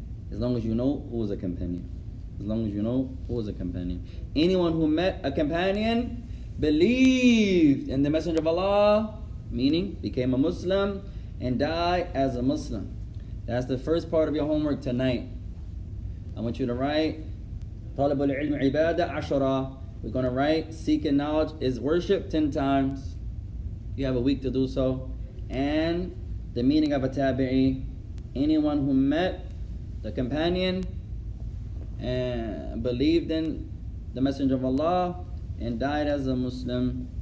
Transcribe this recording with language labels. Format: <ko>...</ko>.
<en>As long as you know who is a companion. As long as you know who is a companion. Anyone who met a companion, believed in the Messenger of Allah, meaning became a Muslim, and died as a Muslim. That's the first part of your homework tonight. I want you to write,</en> <ar>طالب العلم عبادة عشرة.</ar> <en>We're going to write, seeking knowledge is worship 10 times. You have a week to do so. And the meaning of a tabi'i, anyone who met the companion and believed in the Messenger of Allah and died as a Muslim.</en>